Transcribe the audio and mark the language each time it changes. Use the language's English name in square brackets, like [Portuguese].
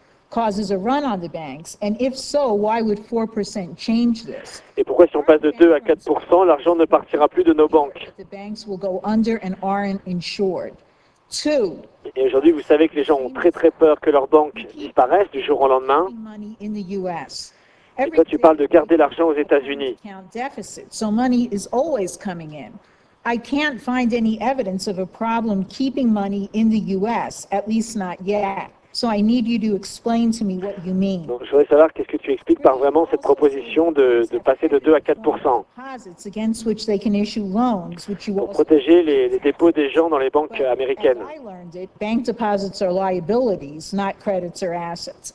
[English] Causes a run on the banks, and if so, why would 4% change this? [French] Et pourquoi si on passe de 2 à 4%, l'argent ne partira plus de nos banques? [English] The banks will go under and aren't insured. Two. [French] Et aujourd'hui, vous savez que les gens ont très très peur que leurs banques disparaissent du jour au lendemain. Et toi, tu parles de garder l'argent aux États-Unis. [English] So money is always coming in. I can't find any evidence of a problem keeping money in the U.S. At least not yet. So I need you to explain to me what you mean. [French] Donc, je voudrais savoir qu'est-ce que tu expliques par vraiment cette proposition de passer de 2 à 4% [English] against which they can issue loans, which you [French] pour protéger les dépôts des gens dans les banques américaines. [English] But as I learned it, bank deposits are liabilities, not credits or assets.